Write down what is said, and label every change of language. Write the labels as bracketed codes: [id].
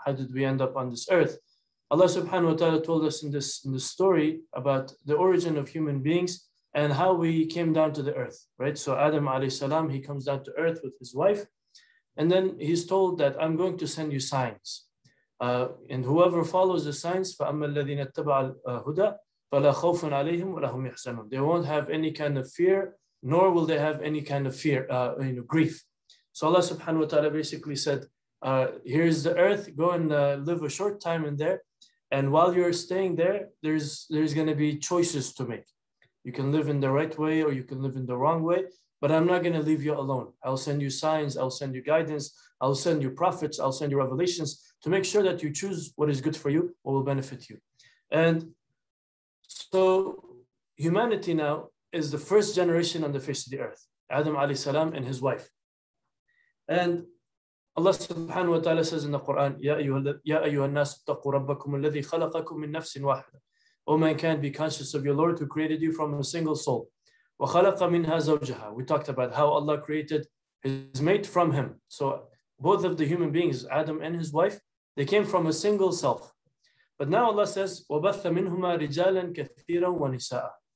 [en] How did we end up on this earth? Allah subhanahu wa ta'ala told us in this story about the origin of human beings and how we came down to the earth, right? So Adam alayhi salam, he comes down to earth with his wife. And then he's told that I'm going to send you signs. And whoever follows the signs, [ar] فَأَمَّا الَّذِينَ اتَّبَعَ الْهُدَى فَلَا خَوْفٌ عَلَيْهِمْ وَلَهُمْ يَحْزَنُونَ. [en] They won't have any kind of fear, nor will they have any kind of fear, grief. So Allah subhanahu wa ta'ala basically said, here's the earth, go and live a short time in there. And while you're staying there, there's going to be choices to make. You can live in the right way or you can live in the wrong way. But I'm not going to leave you alone. I'll send you signs. I'll send you guidance. I'll send you prophets. I'll send you revelations to make sure that you choose what is good for you, what will benefit you. And so humanity now is the first generation on the face of the earth, Adam alayhi salam and his wife. And Allah subhanahu wa ta'ala says in the Quran, [ar] يَا أَيُّهَا النَّاسُ اتَّقُوا رَبَّكُمُ الَّذِي خَلَقَكُمْ مِن نَفْسٍ وَاحِدًا. [en] O mankind, be conscious of your Lord who created you from a single soul. [ar] وَخَلَقَ مِنْهَا زَوْجَهَا. [en] We talked about how Allah created his mate from him. So both of the human beings, Adam and his wife, they came from a single self. But now Allah says, [ar] وَبَثَّ مِنْهُمَا رِجَالًا كَثِيرًا وَنِسَاءً.